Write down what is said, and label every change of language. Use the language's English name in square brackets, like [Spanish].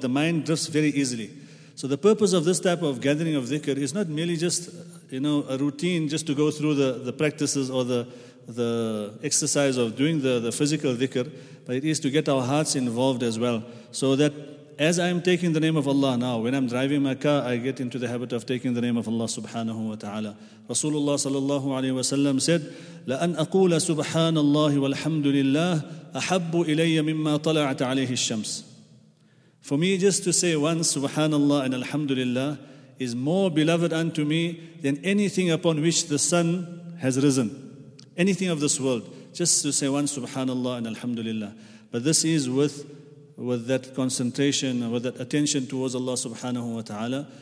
[English] The mind drifts very easily. So the purpose of this type of gathering of dhikr is not merely just, you know, a routine just to go through the practices or the the exercise of doing the physical dhikr, but it is to get our hearts involved as well, so that as I am taking the name of Allah now, when I'm driving my car, I get into the habit of taking the name of Allah subhanahu wa ta'ala. [Arabic] Rasulullah sallallahu alayhi wa sallam said, لَأَنْ أَقُولَ سُبْحَانَ اللَّهِ وَالْحَمْدُ لِلَّهِ أَحَبُّ إِلَيَّ مِمَّا طَلَعَتْ عَلَيْهِ الشَّمْسِ. [English] For me, just to say once Subhanallah and Alhamdulillah is more beloved unto me than anything upon which the sun has risen. Anything of this world. Just to say once Subhanallah and Alhamdulillah. But this is with that concentration, with that attention towards Allah subhanahu wa ta'ala.